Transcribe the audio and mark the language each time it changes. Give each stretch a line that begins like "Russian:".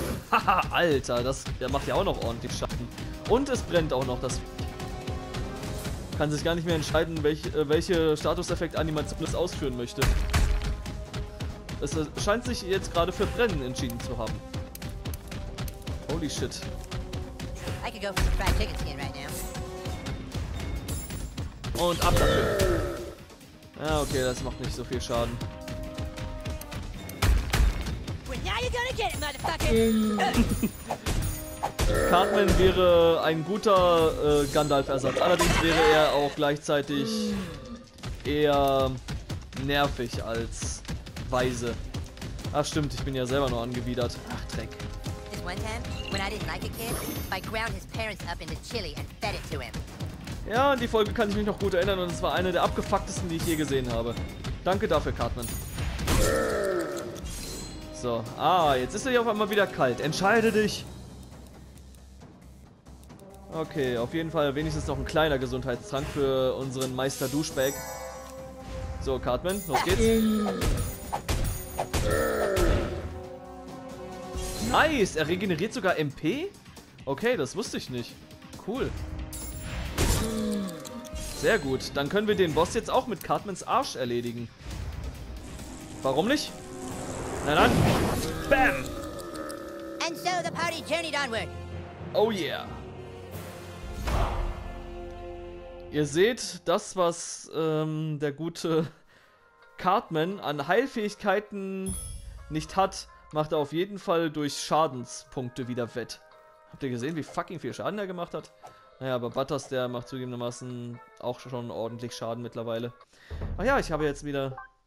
German: Haha, Alter, der macht ja auch noch ordentlich Schatten. Und es brennt auch noch. Das kann sich gar nicht mehr entscheiden, welche Statuseffekt-Animation es ausführen möchte. Es scheint sich jetzt gerade für Brennen entschieden zu haben.
English: Holy shit. I could go for some fried chicken skin right now.
German: Und ab dafür. Ja, okay, das macht nicht so viel Schaden.
English: Well, now you're gonna get it, motherfucker.
German: Cartman wäre ein guter Gandalf-Ersatz. Allerdings wäre er auch gleichzeitig eher nervig als weise. Ach stimmt, ich bin ja selber nur angewidert. Ach Dreck.
English: One time, when I didn't like a kid, I ground his parents up into chili and fed it to him.
German: Ja, an die Folge kann ich mich noch gut erinnern und es war eine der abgefucktesten, die ich je gesehen habe. Danke dafür, Cartman. So, ah, jetzt ist er ja auf einmal wieder kalt. Entscheide dich! Okay, auf jeden Fall wenigstens noch ein kleiner Gesundheitstrank für unseren Meister Duschbag. So, Cartman, los geht's. Nice, er regeneriert sogar MP? Okay, das wusste ich nicht. Cool. Sehr gut, dann können wir den Boss jetzt auch mit Cartmans Arsch erledigen. Warum nicht? Na dann, bam!
English: And so the party journeyed onward. Oh yeah.
German: Ihr seht, das, was der gute Cartman an Heilfähigkeiten nicht hat, macht er auf jeden Fall durch Schadenspunkte wieder wett. Habt ihr gesehen, wie fucking viel Schaden er gemacht hat? Naja, aber Butters, der macht zugegebenermaßen auch schon ordentlich Schaden mittlerweile. Ach ja, ich habe jetzt wieder...